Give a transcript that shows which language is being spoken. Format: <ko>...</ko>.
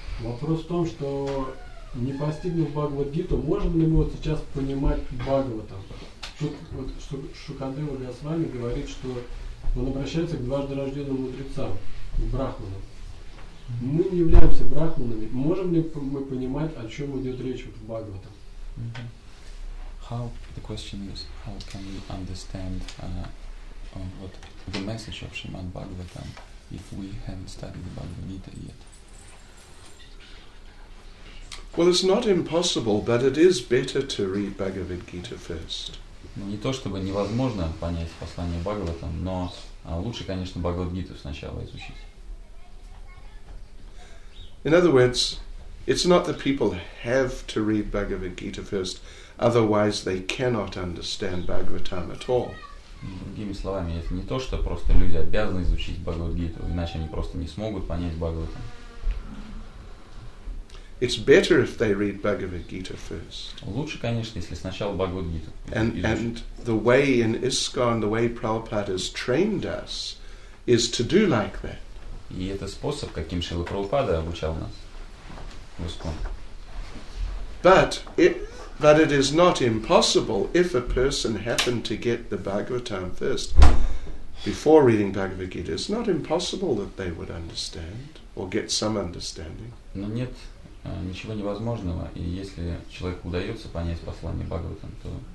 <ru>Вопрос в том, что не постигнув Бхагавад-гиту, можем ли мы вот сейчас понимать Бхагаватам? Вот Шукадева Госвами говорит, что он обращается к дважды рожденным мудрецам, к брахманам. Мы не являемся брахманами. Можем ли мы понимать, о чем идет речь в Бхагаватам?</ru> <en>How the question is, how can we understand what the message of Shrimad Bhagavatam if we haven't studied the Bhagavad Gita yet? Well, it's not impossible, but it is better to read Bhagavad Gita first.</en> <ru>Не то чтобы невозможно понять послание Бхагаватам, но лучше, конечно, Бхагавад-гиту сначала изучить.</ru> <en>In other words, it's not that people have to read Bhagavad-gita first, otherwise they cannot understand Bhagavatam at all.</en> <ru>Другими словами, это не то, что просто люди обязаны изучить Бхагавад-гиту, иначе они просто не смогут понять Бхагаватам.</ru> <en>It's better if they read Bhagavad Gita first.</en> <ru>Лучше, конечно, если сначала Бхагавад-гиту.</ru> <en>And the way in ISKCON, the way Prabhupada has trained us, is to do like that.</en> <ru>И это способ, каким Шрила Прабхупада обучал нас в ISKCON.</ru> <en>But it is not impossible if a person happened to get the Bhagavatam first before reading Bhagavad Gita. It's not impossible that they would understand or get some understanding.</en> <ru>Но нет. Ничего невозможного, и если человеку удается понять послание Бхагаватам, то</ru>